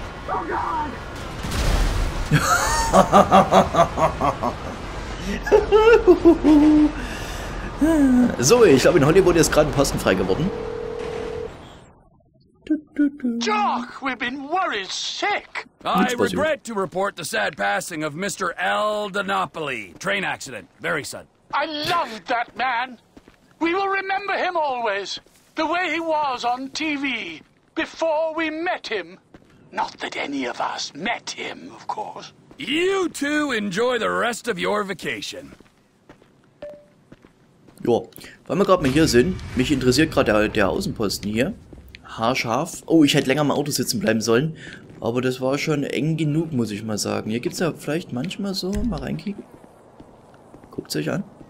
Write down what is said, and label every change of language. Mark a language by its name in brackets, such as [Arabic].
[English] Oh, God. [German] So, ich glaube, in Hollywood ist gerade ein Posten frei geworden. [English] Doc, we've been worried sick. I regret to report the sad passing of Mr. L. Dinopoli. Train accident. Very sudden. I loved that man. We will remember him always. The way he was on TV. Before we met him. Not that any of us met him, of course. You two enjoy the rest of your vacation. [German] Jo, weil wir gerade mal hier sind, mich interessiert gerade der Außenposten hier. Haarscharf. Oh, ich hätte länger im Auto sitzen bleiben sollen. Aber das war schon eng genug, muss ich mal sagen. Hier gibt's ja vielleicht manchmal so, mal reinkicken. Guckt's euch an.